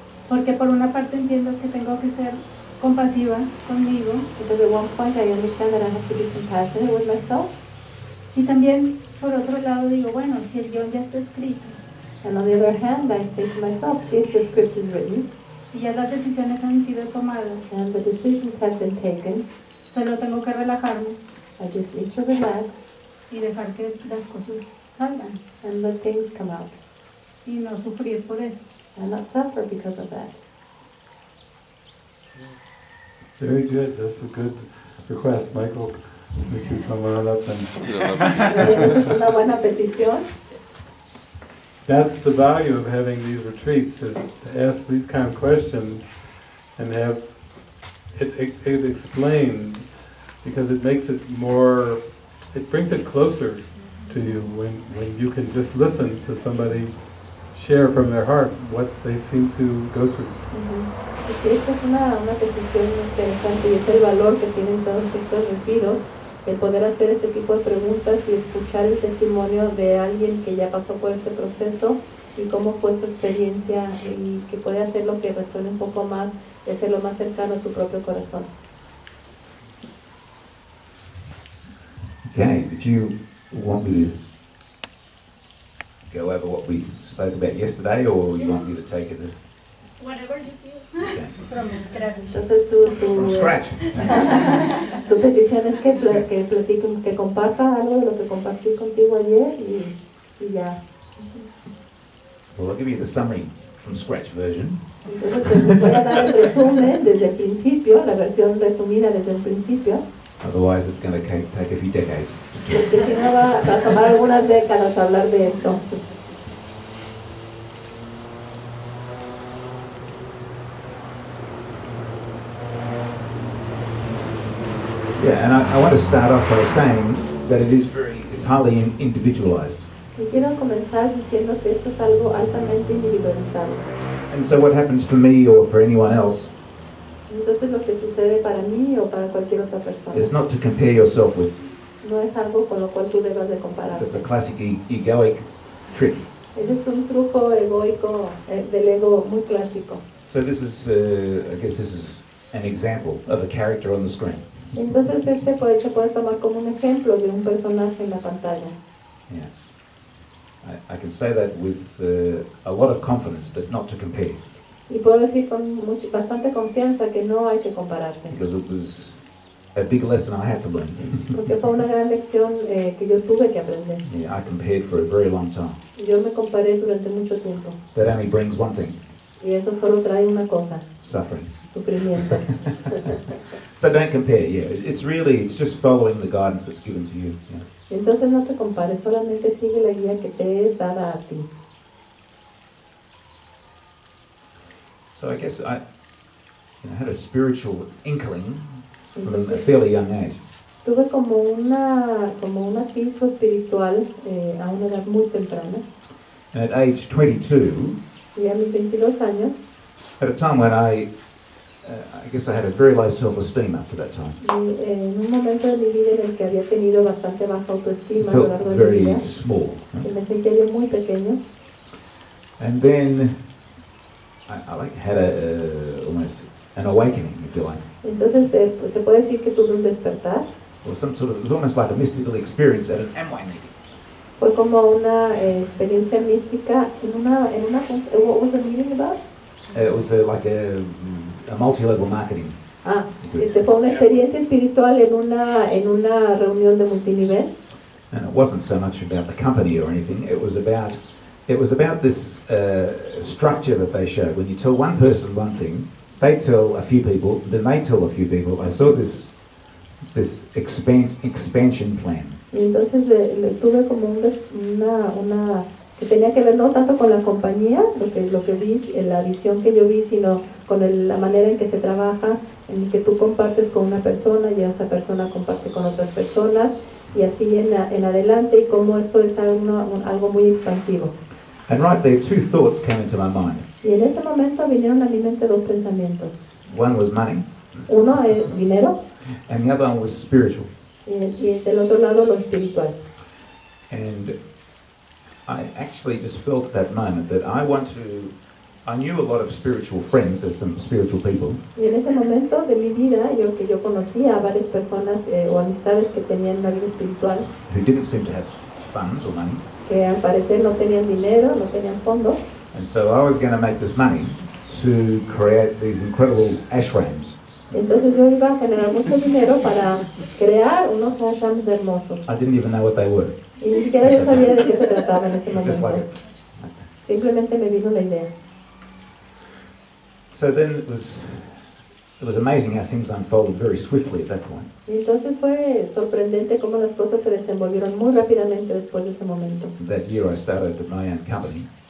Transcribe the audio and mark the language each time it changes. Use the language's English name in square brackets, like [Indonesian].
[Spanish] Porque por una parte entiendo que tengo que ser compasiva conmigo. [English] Because at one point I understand that I have to be compassionate with myself. [Spanish] Y también por otro lado digo, bueno, si el guión ya está escrito. [English] And on the other hand, I say to myself, if the script is written. [Spanish] Y ya las decisiones han sido tomadas. [English] And the decisions have been taken. [Spanish] Solo tengo que relajarme. [English] I just need to relax. [Spanish] Y dejar que las cosas salgan. [English] And let things come out. [Spanish] Y no sufrir por eso. [English] And not suffer because of that. Very good. That's a good request, Michael. We should come on up and. [Spanish] Es una buena petición. [English] That's the value of having these retreats, is to ask these kind of questions and have it explained, because it makes it more, it brings it closer to you when you can just listen to somebody share from their heart what they seem to go through. Mm-hmm. [Spanish] Esta es una petición interesante, y es el valor que tienen todos estos retiros. El poder hacer este tipo de preguntas y escuchar el testimonio de alguien que ya pasó por este proceso y cómo fue su experiencia y que puede hacer lo que resuene un poco más, hacerlo más cercano a tu propio corazón. [English] Okay, did you want me to go over what we spoke about yesterday, or you want me to take it? Whatever you feel. Okay. From scratch. [Spanish] Tu petición es que comparta algo de lo que compartí contigo ayer y ya. [English] Well, I'll give you the summary from scratch version. [Spanish] Entonces, te voy a dar el resumen desde el principio, la versión resumida desde el principio. [English] Otherwise, it's going to take a few decades. [Spanish] Porque si no va a tomar algunas décadas hablar de esto. [English] Yeah, and I want to start off by saying that it is it's highly individualized. [Spanish] Y quiero comenzar diciendo que esto es algo altamente individualizado. [English] And so what happens for me or for anyone else [Spanish] Entonces lo que sucede para mí o para cualquier otra persona. [English] It's not to compare yourself with. [Spanish] No es algo con lo cual tú debas de compararte. [English] It's a classic egoic trick. [Spanish] Ese es un truco egoico del ego muy clásico. [English] So this is, I guess this is an example of a character on the screen. [Spanish] Entonces este se puede tomar como un ejemplo de un personaje en la pantalla. [English] Yeah. I can say that with a lot of confidence that not to compare. [Spanish] Y puedo decir con bastante confianza que no hay que compararse. [English] Because it was a big lesson I had to learn. [Spanish] Porque fue una gran lección que yo tuve que aprender. [English] Yeah, I compared for a very long time. [Spanish] Yo me comparé durante mucho tiempo. [English] That only brings one thing. [Spanish] Y eso solo trae una cosa. [English] Suffering. [Spanish] Sufrimiento. [English] So don't compare. Yeah, it's just following the guidance that's given to you. Yeah. [Spanish] Entonces no te compares, solamente sigue la guía que te es dada a ti. [English] So I guess I had a spiritual inkling from a fairly young age. [Spanish] Tuve como una piso espiritual a una edad muy temprana. [English] And at age 22. [Spanish] Y a mis 22 años. [English] At a time when I guess I had a very low self-esteem up to that time. [Spanish] En un momento de mi vida en el que había tenido bastante baja autoestima. [English] Felt very small. [Spanish] Y me sentía yo muy pequeño. [English] And then I had almost an awakening, if you like. [Spanish] Entonces se puede decir que tuve un despertar. [English] Or some sort of, it was almost like a mystical experience at an Amway meeting. [Spanish] Fue como una experiencia mística en una. [English] What was the meeting about? It was like a multi-level marketing. [Spanish] Ah, fue una experiencia espiritual en una reunión de multinivel. [English] And it wasn't so much about the company or anything. It was about this structure that they showed. When you tell one person one thing, they tell a few people, then they tell a few people. I saw this expansion plan. [Spanish] Entonces tuve como una que tenía que ver no tanto con la compañía, lo que vi, la visión que yo vi, sino con la manera en que se trabaja, en que tú compartes con una persona y esa persona comparte con otras personas y así en adelante, y cómo esto es algo muy expansivo. [English] And right there, two thoughts came into my mind. [Spanish] Y en ese momento vinieron a mi mente dos pensamientos. [English] One was money. [Spanish] Uno es dinero. [English] And the other one was spiritual. [Spanish] Y del otro lado lo espiritual. [English] And I actually just felt at that moment that I knew a lot of spiritual friends, there's some spiritual people. [Spanish] Y en ese momento de mi vida, yo conocía a varias personas o amistades que tenían una vida espiritual. [English] Who didn't seem to have funds or money. [Spanish] Que al parecer no tenían dinero, no tenían fondos. [English] And so I was going to make this money to create these incredible ashrams. [Spanish] Entonces yo iba a generar mucho dinero para crear unos ashrams hermosos. [English] I didn't even know what they were. [Spanish] Y ni siquiera yo sabía de qué se trataba en ese momento. [English] Just like [Spanish] simplemente me vino la idea. [English] So then it was amazing how things unfolded very swiftly at that point. [Spanish] Y entonces fue sorprendente cómo las cosas se desenvolvieron muy rápidamente después de ese momento. [English] That year I started at my own company.